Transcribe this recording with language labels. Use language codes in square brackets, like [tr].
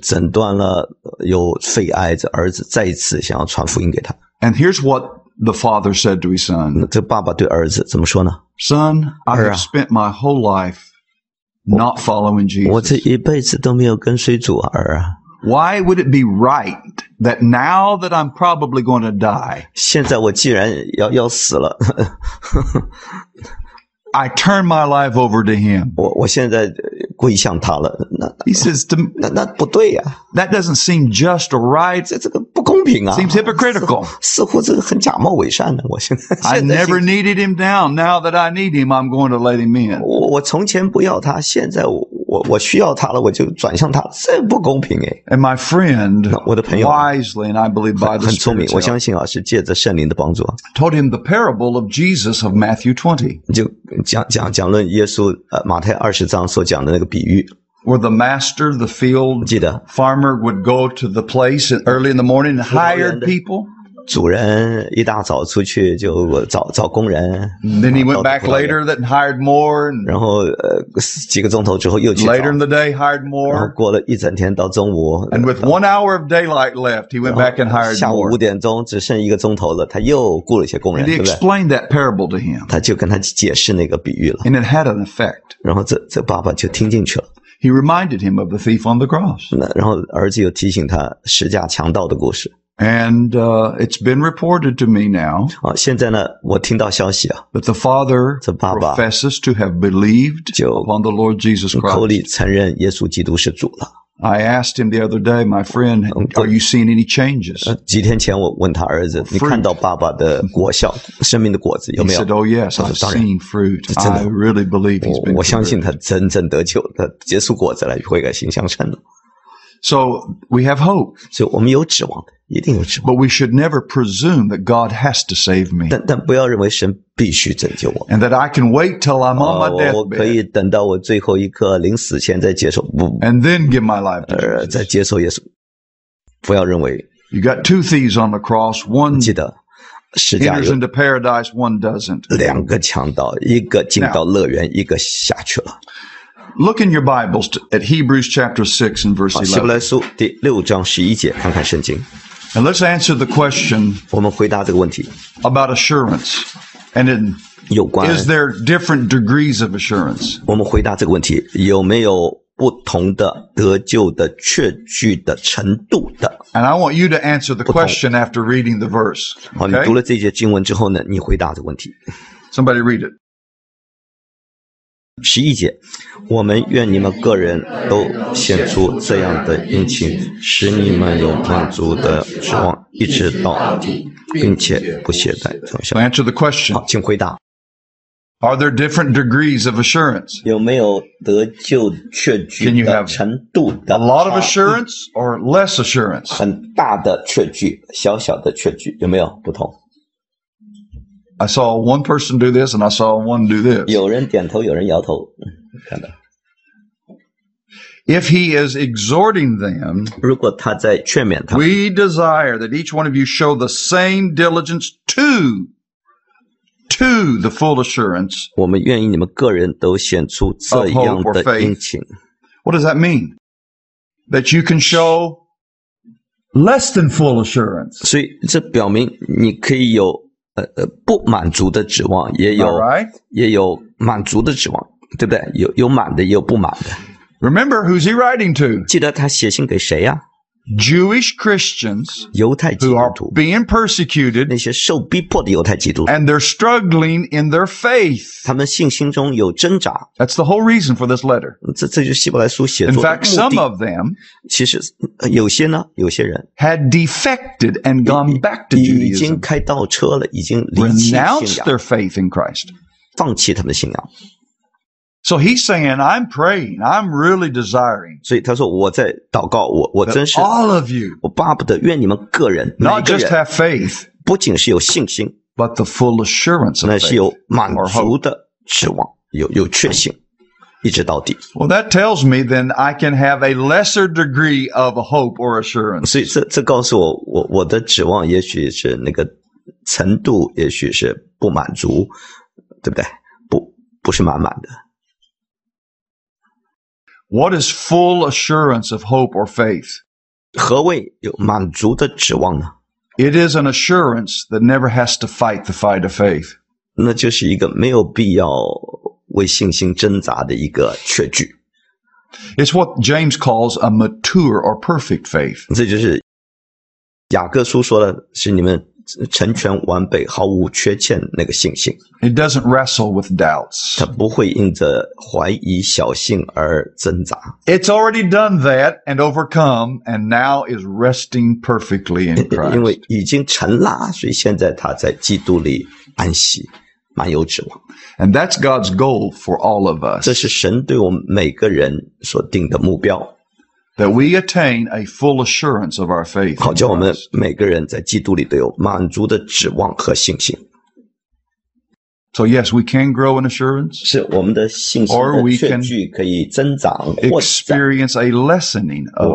[zh] 诊断了有肺癌，这儿子再一次想要传福音给他。 [en] And here's what the father said to his son. [zh] 这爸爸对儿子怎么说呢 [en] ？Son, I have spent my whole life not following Jesus. [zh] 我这一辈子都没有跟随主儿啊。 [en] Why would it be right that now that I'm probably going to die? [zh] 现在我既然要死了。 [en] I turn my life over to him. [zh] 我现在归向他了。 [en] He says, [zh] 那不对啊。 [en] That doesn't seem just or right. [zh] 这个不公平啊。 [en] Seems hypocritical. [zh] 似乎这个很假冒伪善的。我现在 [en] I never needed him down. Now that I need him, I'm going to let him in. [zh] 我从前不要他，现在我需要他了，我就转向他，这不公平哎。 [en] And my friend, [zh] 我的朋友 [en] wisely and I believe by the Spirit, [zh] 很聪明，我相信啊，是借着圣灵的帮助。 [en] Told him the parable of Jesus of Matthew 20. [zh] 就讲论耶稣马太二十章所讲的那个比喻。 [en] Where the master, the field, [zh] 记得 [en] farmer would go to the place early in the morning and hire people. [zh] 主人一大早出去就找工人。 [en] Then he went back later that hired more. [zh] 然后几个钟头之后又去找。 [en] Later in the day, hired more. [zh] 然后过了一整天到中午。 [en] And with 1 hour of daylight left, he went back and hired more. [zh] 下午五点钟只剩一个钟头了，他又雇了一些工人。 [en] And he explained that parable to him. [zh] 他就跟他解释那个比喻了。 [en] And it had an effect. [zh] 然后这爸爸就听进去了。 [en] He reminded him of the thief on the cross. [zh] 然后儿子又提醒他十架强盗的故事。 [en] And, it's been reported to me now. [zh] 现在呢我听到消息啊。 [en] But the father [zh] 这爸爸 [en] professes to have believed upon the Lord Jesus Christ. [zh] 口里承认耶稣基督是主了。 [en] I asked him the other day, my friend, are you seeing any changes? [zh] 几天前我问他儿子，你看到爸爸的果效，生命的果子有没有？ [en] He said, oh yes, I've seen fruit. I really believe he's been cured. [zh] 我相信他真正得救，他结出果子来，悔改心相称。 [en] So, we have hope. [zh] 所以我们有指望，一定有指望。 [en] But we should never presume that God has to save me. [zh] 但不要认为神必须拯救我。 [en] And that I can wait till I'm on my deathbed. [zh] 我可以等到我最后一刻临死前再接受。 [en] And then give my life to Jesus. [zh] 再接受耶稣。不要认为。 [en] You got two thieves on the cross, one. [zh] 记得。 [en] He enters into paradise, one doesn't. [zh] 两个强盗，一个进到乐园，一个下去了。 [en] Look in your Bibles at Hebrews chapter 6 and verse 11. [zh] 希伯来书第六章十一节，看看圣经。 [en] And let's answer the question. [zh] 我们回答这个问题。 [en] About assurance. And in, [zh] 有关。 [en] Is there different degrees of assurance? [zh] 我们回答这个问题，有没有不同的得救的确据的程度的。 [en] And I want you to answer the question after reading the verse. [zh] 好，你读了这节经文之后呢，你回答这个问题。 [en] Somebody read it. [zh] 十一节，我们愿你们个人都显出这样的殷勤，使你们有满足的指望，一直到并且不懈怠。 [en] Answer the question. [zh] 请回答。 [en] Are there different degrees of assurance? [zh] 有没有得救确据的程度的？ [en] A lot of assurance or less assurance? [zh] 很大的确据，小小的确据，有没有不同？ [en] I saw one person do this, and I saw one do this. [zh] 有人点头，有人摇头，看到。 [en] If he is exhorting them, [zh] 如果他在劝勉他 [en] we desire that each one of you show the same diligence to the full assurance. [zh] 我们愿意你们个人都显出这样的殷勤。 [en] What does that mean? That you can show less than full assurance. [zh] 所以这表明你可以有。不满足的指望也有、 [en] right. [zh] 也有满足的指望，对不对？有满的，也有不满的。 [en] Remember who's he writing to? [zh] 记得他写信给谁呀、啊、 [en] ？Jewish Christians, [zh] 犹太基督徒 [en] being persecuted, [zh] 那些受逼迫的犹太基督徒 [en] ，and they're struggling in their faith. [zh] 他们信心中有挣扎。 [en] That's the whole reason for this letter. [zh] 这就是希伯来书写作的目的。 [en] In fact, some of them, [zh] 其实有些呢，有些人 [en] had defected and gone back to Judaism. [zh] 已经开倒车了，已经离弃信仰。 [en] Renounced their faith in Christ. [zh] 放弃他们的信仰。 [en] So he's saying, I'm praying, I'm really desiring. [zh] 所以他说我在祷告，我真是。 [en] All of you. [zh] 我巴不得愿你们个人。 [en] Not just have faith. [zh] 不仅是有信心。 [en] But the full assurance of faith. [zh] 那是有满足的指望，有确信，一直到底。 [en] Well, that tells me then I can have a lesser degree of hope or assurance. [zh] 所以这告诉我，我的指望也许是那个程度，也许是不满足，对不对？不是满满的。 [en] What is full assurance of hope or faith? [zh] 何谓有满足的指望呢？ [en] It is an assurance that never has to fight the fight of faith. [zh] 那就是一个没有必要为信心挣扎的一个确据。 [en] It's what James calls a mature or perfect faith. [zh] 这就是雅各书说的是你们成全完备毫无缺欠那个信心。 [en] It doesn't wrestle with doubts. [zh] 它不会因着怀疑小信而挣扎。 [en] It's already done that and overcome and now is resting perfectly in Christ. [zh] 因为已经成了，所以现在它在基督里安息，满有指望。 [en] And that's God's goal for all of us. [zh] 这是神对我们每个人所定的目标。 [en] That we attain a full assurance of our faith. [zh] 好，叫我们每个人在基督里都有满足的指望和信心。 [en] So yes, we can grow in assurance. [zh] 是我们的信心的确据可以增长。 [en] Or we can experience a lessening of assurance.